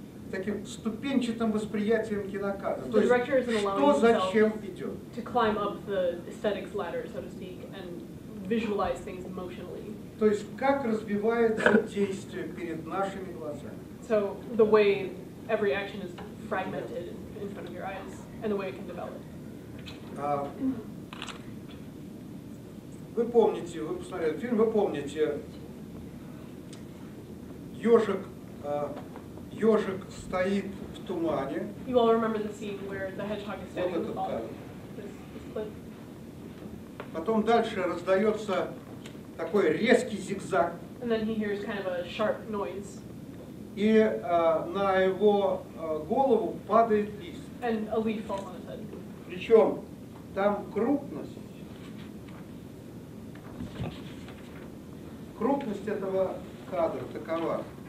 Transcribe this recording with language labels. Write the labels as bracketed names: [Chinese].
[Russian] Таким ступенчатым восприятием кинокадра. То есть, что зачем идет? [English] To climb up the aesthetics ladder, so to speak, and visualize things emotionally. [Russian] То есть, как развивается действие перед нашими глазами? [English] So, the way every action is fragmented in front of your eyes, and the way it can develop. [Russian] Вы помните, вы посмотрели фильм, вы помните, ёжик стоит в тумане. [English] You all remember the scene where the hedgehog is standing in the fog. [Russian] Вот этот [English] кадр. This clip. [Russian] Потом дальше раздается такой резкий зигзаг. [English] And then he hears kind of a sharp noise. [Russian] И на его голову падает лист. [English] And a leaf falls on his head. [Russian] Причем там крупность. Крупность этого кадра такова.